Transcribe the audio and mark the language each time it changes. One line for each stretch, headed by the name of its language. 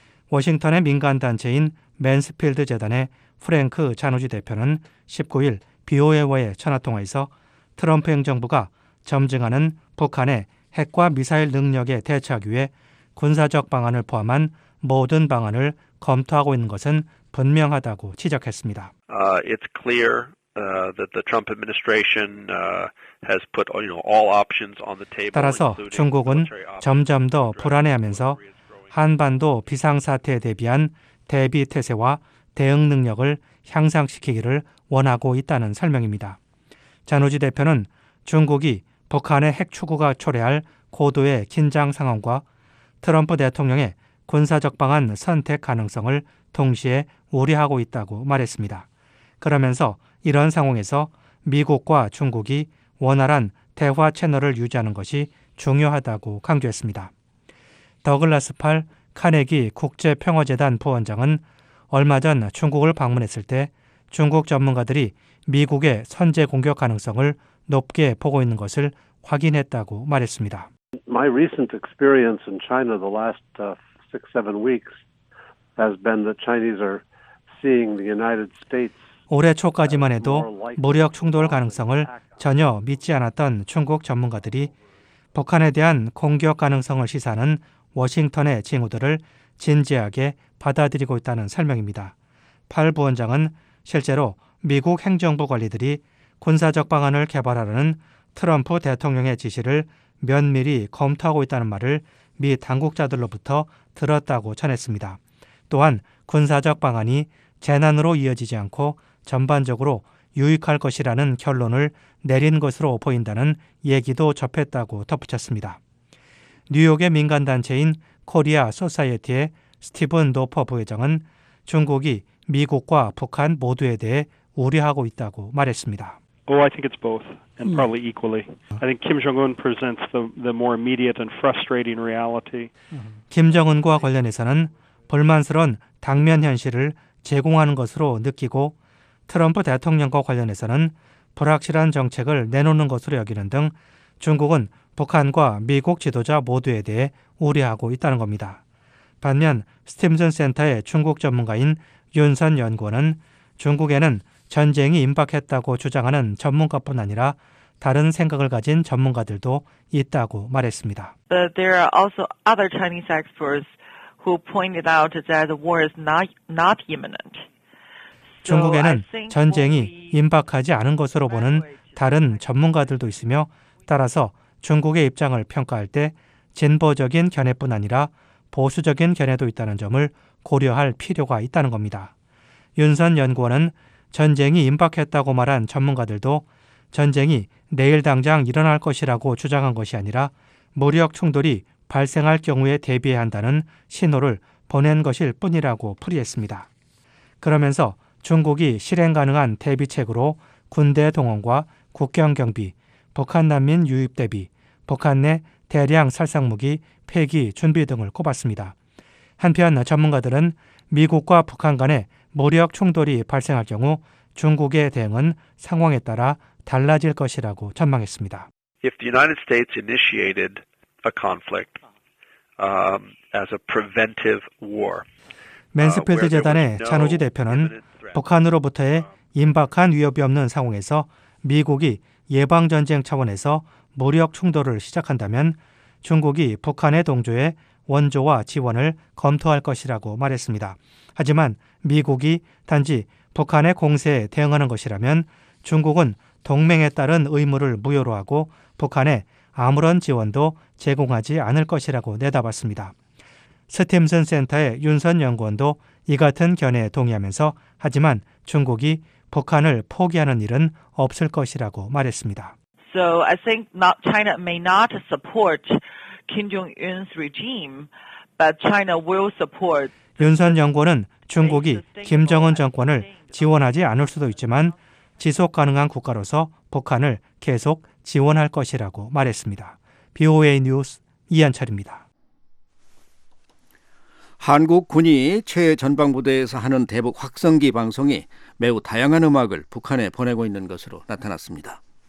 Korean: 워싱턴의 민간단체인 맨스필드 재단의 프랭크 잔우지 대표는 19일 BOA와의 전화통화에서 트럼프 행정부가 점증하는 북한의 핵과 미사일 능력에 대처하기 위해 군사적 방안을 포함한 모든 방안을 검토하고 있는 것은 분명하다고 지적했습니다.
English: It's clear that the Trump administration has put you know all options on the table.
Korean: 따라서 중국은 점점 더 불안해하면서 한반도 비상사태에 대비한 대비태세와 대응 능력을 향상시키기를 원하고 있다는 설명입니다. 잔우지 대표는 중국이 북한의 핵 추구가 초래할 고도의 긴장 상황과 트럼프 대통령의 군사적 방안 선택 가능성을 동시에 우려하고 있다고 말했습니다. 그러면서 이런 상황에서 미국과 중국이 원활한 대화 채널을 유지하는 것이 중요하다고 강조했습니다. 더글라스 팔 카네기 국제평화재단 부원장은 얼마 전 중국을 방문했을 때 중국 전문가들이 미국의 선제 공격 가능성을 높게 보고 있는 것을 확인했다고 말했습니다.
English: My recent experience in China the last six, seven weeks has been that Chinese are seeing the United States.
Korean: 올해 초까지만 해도 무력 충돌 가능성을 전혀 믿지 않았던 중국 전문가들이 북한에 대한 공격 가능성을 시사하는 워싱턴의 징후들을 진지하게 받아들이고 있다는 설명입니다. 팔 부원장은 실제로 미국 행정부 관리들이 군사적 방안을 개발하라는 트럼프 대통령의 지시를 면밀히 검토하고 있다는 말을 미 당국자들로부터 들었다고 전했습니다. 또한 군사적 방안이 재난으로 이어지지 않고 전반적으로 유익할 것이라는 결론을 내린 것으로 보인다는 얘기도 접했다고 덧붙였습니다. 뉴욕의 민간단체인 코리아 소사이어티의 스티븐 노퍼 부회장은 중국이 미국과 북한 모두에 대해 우려하고 있다고 말했습니다.
English: Oh, I think it's both and probably equally. I think Kim Jong-un presents the more immediate and frustrating reality.
Korean: 김정은과 관련해서는 불만스러운 당면 현실을 제공하는 것으로 느끼고 트럼프 대통령과 관련해서는 불확실한 정책을 내놓는 것으로 여기는 등 중국은 북한과 미국 지도자 모두에 대해 우려하고 있다는 겁니다. 반면 스팀슨 센터의 중국 전문가인 윤선 연구원은 중국에는 전쟁이 임박했다고 주장하는 전문가뿐 아니라 다른 생각을 가진 전문가들도 있다고 말했습니다.
English: But there are also other Chinese experts who pointed out that the war is not imminent.
Korean: 중국에는 전쟁이 임박하지 않은 것으로 보는 다른 전문가들도 있으며 따라서 중국의 입장을 평가할 때 진보적인 견해뿐 아니라 보수적인 견해도 있다는 점을 고려할 필요가 있다는 겁니다. 윤선 연구원은 전쟁이 임박했다고 말한 전문가들도 전쟁이 내일 당장 일어날 것이라고 주장한 것이 아니라 무력 충돌이 발생할 경우에 대비해야 한다는 신호를 보낸 것일 뿐이라고 풀이했습니다. 그러면서 중국이 실행 가능한 대비책으로 군대 동원과 국경 경비, 북한 난민 유입 대비, 북한 내 대량 살상무기 폐기 준비 등을 꼽았습니다. 한편 전문가들은 미국과 북한 간의 무력 충돌이 발생할 경우 중국의 대응은 상황에 따라 달라질 것이라고 전망했습니다.
English: If the United States initiated a conflict as a preventive war.
Korean: 맨스필드 재단의 찬우지 대표는 북한으로부터의 임박한 위협이 없는 상황에서 미국이 예방전쟁 차원에서 무력 충돌을 시작한다면 중국이 북한의 동조에 원조와 지원을 검토할 것이라고 말했습니다. 하지만 미국이 단지 북한의 공세에 대응하는 것이라면 중국은 동맹에 따른 의무를 무효로 하고 북한에 아무런 지원도 제공하지 않을 것이라고 내다봤습니다. 스팀슨 센터의 윤선 연구원도 이 같은 견해에 동의하면서 하지만 중국이 북한을 포기하는 일은 없을 것이라고 말했습니다.
English: So I think not China may not support Kim Jong-un's regime, but China will support.
Korean: 윤선 연구원은 중국이 김정은 정권을 지원하지 않을 수도 있지만 지속 가능한 국가로서 북한을 계속 지원할 것이라고 말했습니다. BOA 뉴스 이한철입니다. 한국 군이 최전방부대에서 하는 대북 확성기 방송이 매우 다양한 음악을 북한에 보내고 있는 것으로 나타났습니다.